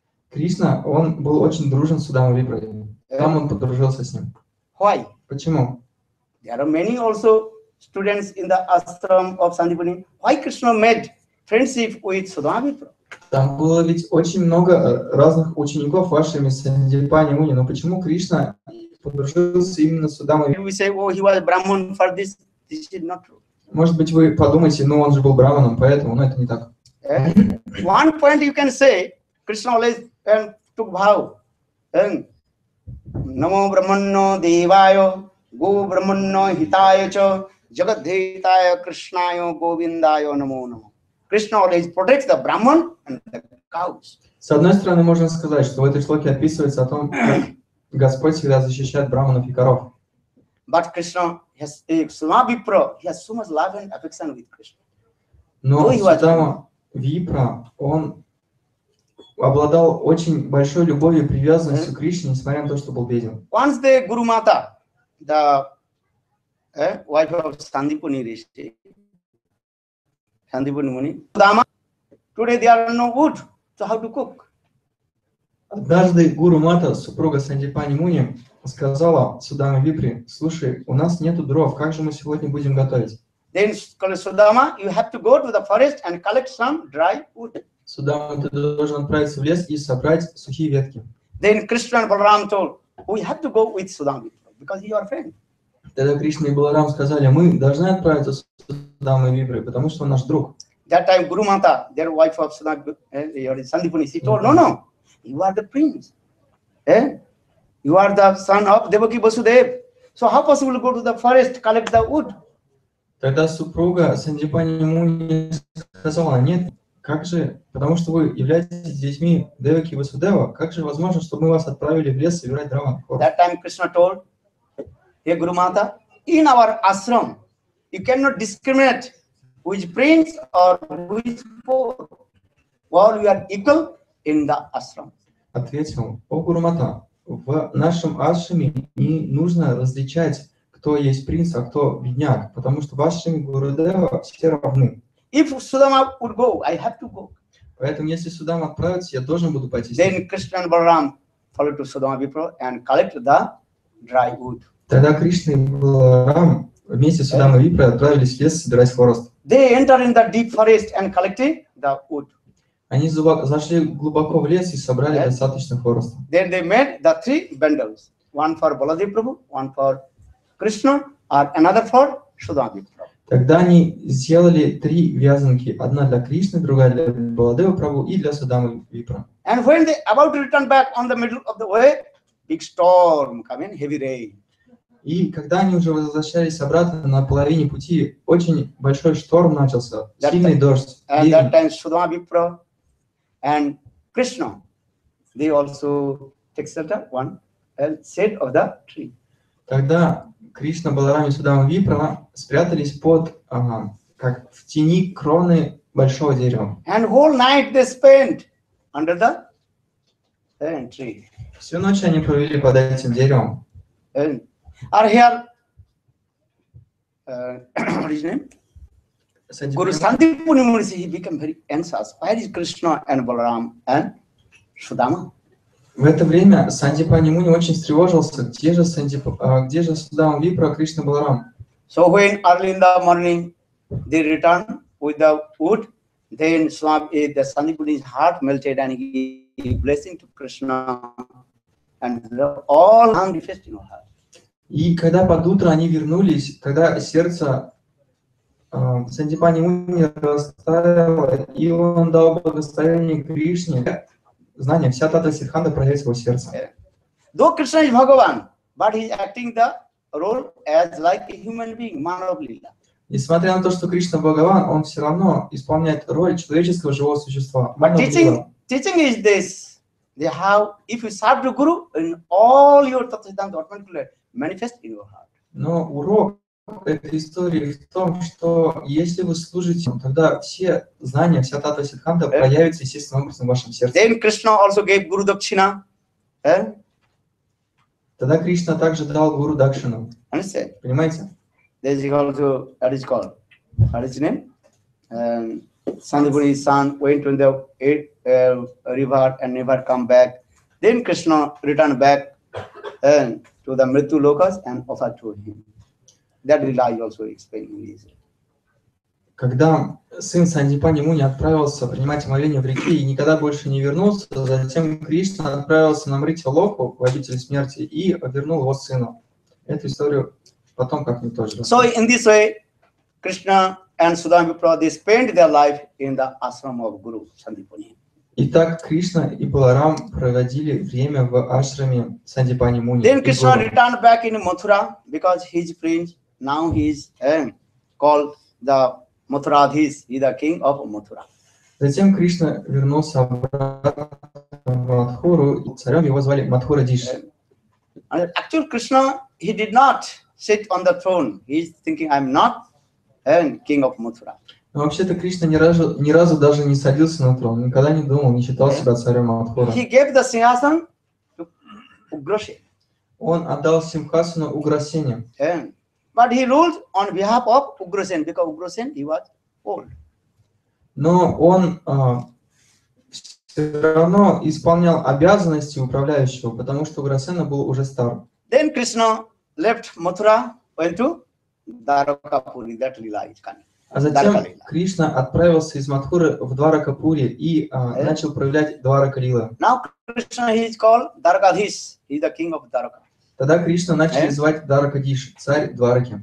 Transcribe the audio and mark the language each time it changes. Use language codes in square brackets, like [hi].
[ru] Кришна, он был очень дружен с Судама Випрой. Там он подружился с ним. [en] Why? [ru] Почему? [en] There are many also students in the ashram of Sandipani. Why Krishna made friendship with Sudama Vipra? [ru] Там было ведь очень много разных учеников вашими Сандипани Муни. Но почему Кришна подружился именно с Судамой? [en] We say, oh, he was Brahman for this. This is not true. [ru] Может быть, вы подумаете, ну он же был Браманом, поэтому, но это не так. [en] One point you can say, Krishna always took bhav. [sa] Namo Brahmanno Devayo, Go Brahmanno Hitayo Cha, Jagat Dhetayo Krishnayo Govindayo Namo Namo. [en] Krishna always protects the Brahman and the cows. [ru] С одной стороны, можно сказать, что в этой шлоке описывается о том, как Господь всегда защищает Браманов и коров. [en] But Krishna has a Suma Vipra, he has so much love and affection with Krishna. [ru] Но Сутама Випра, он обладал очень большой любовью и привязанностью к Кришне, несмотря на то, что был беден. [en] Once the Guru Mata, the wife of Sandipani Rishi, Sandipani Muni, Sudama, today there are no wood, so how to cook? [ru] Однажды Гуру Мата, супруга Сандипани Муни, сказала Судаме Випре, слушай, у нас нету дров, как же мы сегодня будем готовить? [en] Then Sudama, you have to go to the forest and collect some dry wood. [ru] Судама, ты должен отправиться в лес и собрать сухие ветки. [en] Then Krishna and Balaram told, we have to go with Sudama, because he is your friend. [ru] Тогда Кришна и Баларам сказали, мы должны отправиться с Судамой Випре, потому что он наш друг. [en] That time Guru Mata, their wife of Sandipani, she told, no, you are the prince. Eh? You are the son of Devaki Vasudev. So how possible to go to the forest, collect the wood? [ru] Тогда супруга Сандипани Муни сказала, нет, как же, потому что вы являетесь детьми Деваки Васудева, как же возможно, чтобы мы вас отправили в лес собирать дрова? [en] That time Krishna told, hey Guru Mata, in our ashram, you cannot discriminate which prince or which poor. While we are equal in the ashram. [ru] Ответил, о Гуру Мата, в нашем ашраме не нужно различать, кто есть принц, а кто бедняк, потому что ваши Гурудева все равны. [en] If Sudama would go, I have to go. [ru] Поэтому если Судама отправится, я должен буду пойти. [en] Then Krishna and Balaram followed to Sudama Vipra and collected the dry wood. [ru] Тогда Кришна и Баларам вместе с Судама Випра отправились в лес собирать хворост. [en] They entered in the deep forest and collected the wood. [ru] Они зашли глубоко в лес и собрали достаточно хвороста. [en] Then they made the three bundles, one for Baladev Prabhu, one for Krishna, or another for Sudama Vipra. [ru] Тогда они сделали три вязанки, одна для Кришны, другая для Баладева Прабху и для Судамы Випра. [en] And when they about to return back on the middle of the way, big storm coming, heavy rain. [ru] И когда они уже возвращались обратно на половине пути, очень большой шторм начался, [en] that [ru] сильный [en] time, [ru] дождь. [en] And that time Sudama Vipra and Krishna, they also take shelter one shade of the tree. [ru] Тогда Кришна, Баларам и Судама Випра спрятались под, как в тени кроны большого дерева. [en] And whole night they spent under the tree. [ru] Всю ночь они провели под этим деревом. [en] And are here, what is his name? Sanjibani. Guru Sandipani Muni, he became very anxious. Where is Krishna and Balaram and Sudama? [ru] В это время Сандипани Муни очень встревожился. Где же Судама Випра, Кришна Баларам? [en] So when early in the morning they return with the wood, then the Sandipani's heart melted and he blessing to Krishna and all manifesting in her heart. [ru] И когда под утро они вернулись, тогда сердце Сандипани Муни растаяло, и он дал благословение Кришне. Знание, вся тата Сиддханта проявляет его сердце. [en] Though Krishna is Bhagavan, but he is acting the role as like a human being, Manav Lila. [ru] Несмотря на то, что Кришна Бхагаван, он все равно исполняет роль человеческого живого существа. [en] But teaching is this, they have, if you serve the Guru, in all your tata Siddhanta automatically manifest in your heart. [ru] Но урок этой истории в том, что если вы служите, тогда все знания, вся тата Сиддханта проявится естественным образом в вашем сердце. [en] Then Krishna also gave Guru Dakshina. [ru] Тогда Кришна также дал Гуру Дакшину. [en] Understand? [ru] Понимаете? [en] There is also, what is called? What is his name? Sandipani's son went to the river and never come back. Then Krishna returned back to the Mrityu Lokas and offered to him. That Lila is also explaining easily. [ru] когда сын Сандипани Муни отправился принимать омовение в реке и никогда больше не вернулся, затем Кришна отправился на Мрити Локу, в обитель смерти, и вернул его сыну. Эту историю потом как-нибудь тоже рассказал. [en] So in this way, Krishna and Sudama Prabhu spent their life in the ashram of Guru Sandipani. [ru] Итак, Кришна и Баларам проводили время в ашраме Сандипани Муни. [en] Then Krishna returned back in Mathura because his prince, now he is called the Mathuradhis, he is the king of Mathura. [ru] Затем Кришна вернулся обратно в Мадхуру, и царем его звали Мадхурадиш. [en] And actually Krishna, he did not sit on the throne. He is thinking, I am not king of Mathura. [ru] Но вообще-то Кришна ни разу даже не садился на трон, никогда не думал, не считал себя царем Мадхуры. [en] He gave the Sinhasan to Ugrasen. [ru] Он отдал Симхасану Уграсене. [en] But he ruled on behalf of Ugrasen, because Ugrasen, he was old. [ru] Но он все равно исполнял обязанности управляющего, потому что Ugrasena был уже стар. [en] Then Krishna left Mathura, went to Dwarakapuri, that Lila is coming. [ru] А затем Кришна отправился из Мадхуры в Дваракапури и начал проявлять Дваракалила. [en] Now Krishna is called Dwarakadhis, he is the king of Dwaraka. [ru] Тогда Кришна начали звать Дваракадиш, царь Двараки.